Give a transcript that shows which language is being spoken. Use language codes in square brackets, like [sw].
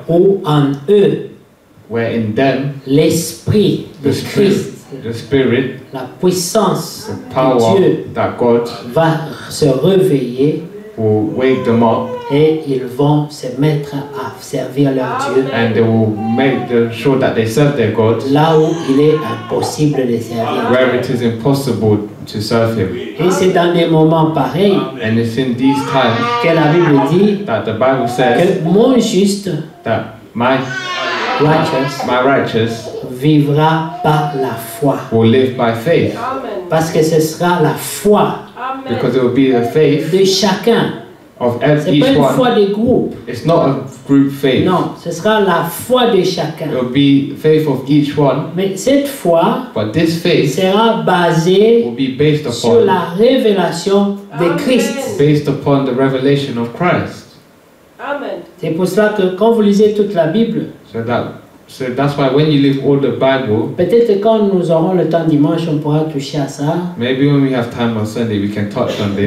[fr] Où en eux. [en] Where in them. [fr] L'esprit de Christ. [en] The spirit. [fr] La puissance. [en] The power [fr] de Dieu [en] that God. [fr] Va se réveiller. [en] Will wake them up. [fr] Et ils vont se mettre à servir leur Dieu. [en] And they will make the, show that they serve their God. [fr] Là où il est impossible de servir. [en] Where it is impossible to serve him. [fr] Et c'est dans des moments pareils. [en] And it's in these times. [fr] Que la Bible dit. [en] That the Bible says. [fr] Que mon juste. [en] That my righteous. My righteous. [fr] Vivra par la foi. [en] Will live by faith. Amen. [fr] Parce que ce sera la foi. Amen. [en] Because it will be the faith. [fr] De chacun. [en] Of [fr] c'est pas une [en] one. [fr] Foi des groupes. [en] It's not a group faith. [fr] Non, ce sera la foi de chacun. [en] It will be faith of each one. [fr] Mais cette foi. [en] But this faith. [fr] Sera basée. [en] Will be based upon. [fr] Sur la révélation de Christ. [en] Based upon the revelation of Christ. Amen. [fr] C'est pour cela que quand vous lisez toute la Bible. [en] So that's why when you leave all the Bible. [fr] Peut-être quand nous aurons le temps dimanche, on pourra toucher à ça. [en] Maybe when we have time on Sunday, we can touch on this.